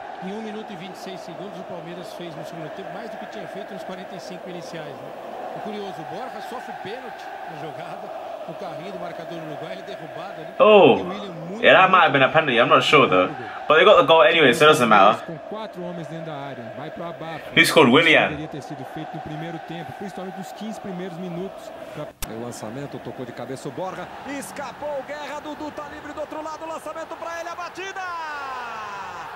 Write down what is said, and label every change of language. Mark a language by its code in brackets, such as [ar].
[pt] Em 1 minuto e 26 segundos, o Palmeiras fez no segundo tempo mais do que tinha feito nos 45 iniciais. O curioso, Borja sofre pênalti na jogada, o carrinho do marcador uruguaio, ele derrubado ali. [en] Oh, yeah, that might have been a penalty, I'm not sure though. But they got the goal anyway, so it doesn't matter. [pt] Com 4 homens dentro da área, vai pro abafo. [en] Who scored, William? [pt] Deveria ter sido feito no primeiro tempo, principalmente nos 15 primeiros minutos. O lançamento, tocou de cabeça o Borja, escapou o Guerra, Dudu tá livre do outro lado, lançamento pra ele, a batida!